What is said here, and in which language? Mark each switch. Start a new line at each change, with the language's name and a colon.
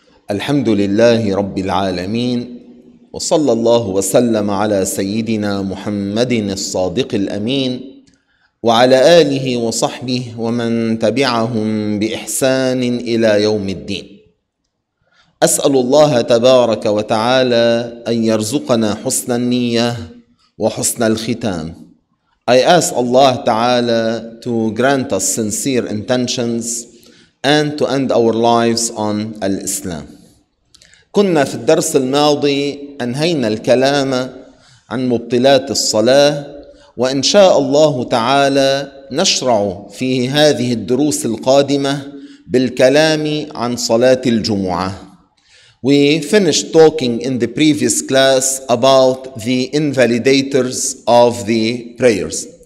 Arabic: الحمد لله رب العالمين، وصلى الله وسلم على سيدنا محمد الصادق الأمين، وعلى آله وصحبه ومن تبعهم بإحسان إلى يوم الدين. أسأل الله تبارك وتعالى أن يرزقنا حسن النية وحسن الختام.
English: I ask Allah Ta'ala to grant us sincere intentions and to end our lives on Al-Islam.
Arabic: كنا في الدرس الماضي أنهينا الكلام عن مبطلات الصلاة، وإن شاء الله تعالى نشرع في هذه الدروس القادمة بالكلام عن صلاة الجمعة.
English: We finished talking in the previous class about the invalidators of the prayers.